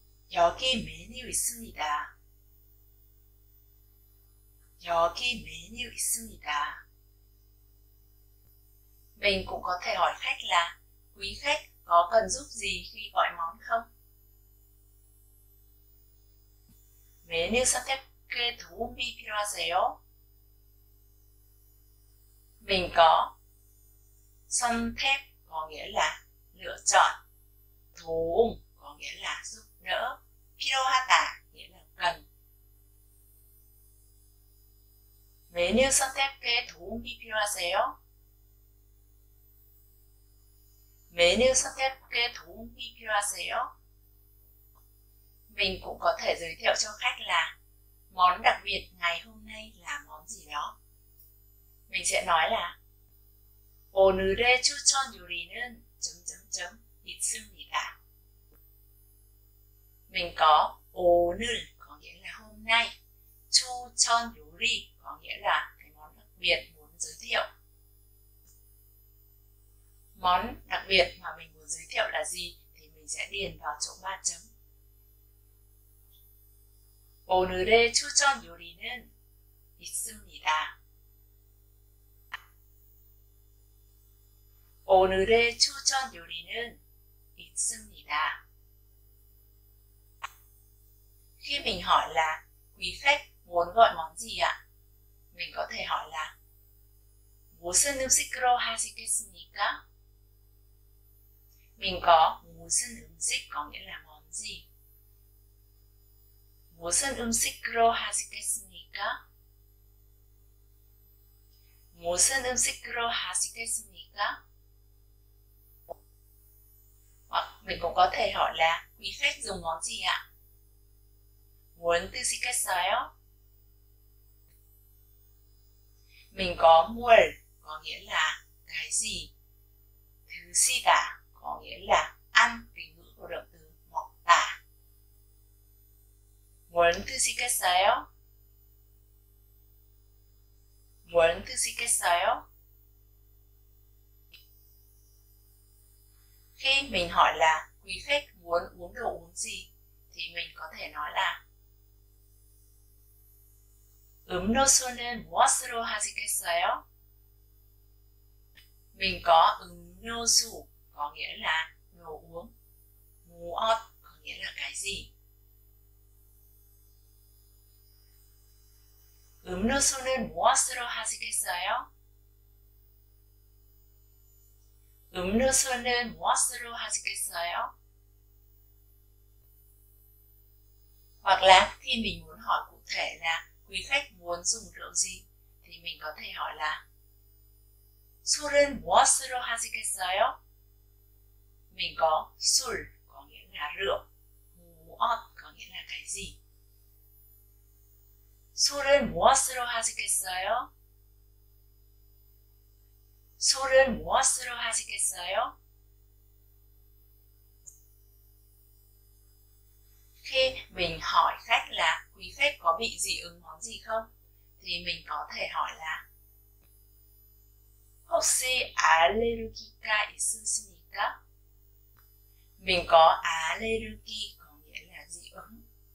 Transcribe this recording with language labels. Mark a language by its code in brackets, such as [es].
[ko] 여기 메뉴 있습니다. 여기 메뉴 있습니다. [vi] Mình cũng có thể hỏi khách là quý khách có cần giúp gì khi gọi món không? [ko] 메뉴 선택에 도움이 필요하세요? [vi] Mình có 선택 có nghĩa là lựa chọn, 도움 có nghĩa là giúp đỡ, 필요하다 nghĩa là cần. [ko] 메뉴 선택에 도움이 필요하세요? 메뉴 선택에 도움이 필요하세요? [vi] Mình cũng có thể giới thiệu cho khách là món đặc biệt ngày hôm nay là món gì đó. Mình sẽ nói là [ko] 오늘의 추천 요리는 점점점 있습니다. [vi] Mình có 오늘 có nghĩa là hôm nay, [ko] 추천 요리 [vi] có nghĩa là cái món đặc biệt muốn giới thiệu. Món đặc biệt mà mình muốn giới thiệu là gì thì mình sẽ điền vào chỗ 3 chấm. [ko] 오늘의 추천 요리는 있습니다. 오늘의 추천 요리는 있습니다. [vi] Khi mình hỏi là quý khách muốn gọi món gì ạ? Mình có thể hỏi là [ko] 무슨 음식으로 하시겠습니까? [vi] Mình có [ko] 무슨 음식 [vi] có nghĩa là món gì. [ko] 무슨 음식으로 하시겠습니까? 무슨 음식으로 하시겠습니까? [vi] Hoặc mình cũng có thể hỏi là quý khách dùng món gì ạ? [ko] 무슨 드시겠어요? [vi] Mình có 뭘 có nghĩa là cái gì. 드시다 có nghĩa là ăn, tính ngữ của động từ 먹다. [ko] 뭘 드시겠어요? 뭘 드시겠어요? [vi] Khi mình hỏi là quý khách muốn uống đồ uống gì thì mình có thể nói là [ko] 음료수는 무엇으로 하시겠어요? [vi] Mình có 음료수 có nghĩa là đồ uống, 무엇 có nghĩa là cái gì. [ko] 음료수는 무엇으로 하시겠어요? 음료수는 무엇으로 하시겠어요? [vi] Hoặc là khi mình muốn hỏi cụ thể là quý khách muốn dùng rượu gì thì mình có thể hỏi là [ko] 술은 무엇으로 하시겠어요? [vi] Mình có 술 có nghĩa là rượu, 무엇 có nghĩa là cái gì. [ko] 술은 무엇으로 하시겠어요? 술은 무엇으로 하시겠어요? [vi] Khi mình hỏi khách là quý khách có bị dị ứng món gì không, thì mình có thể hỏi là [ko] hoshi allergika isushimika? [vi] Mình có allergy có nghĩa là dị ứng.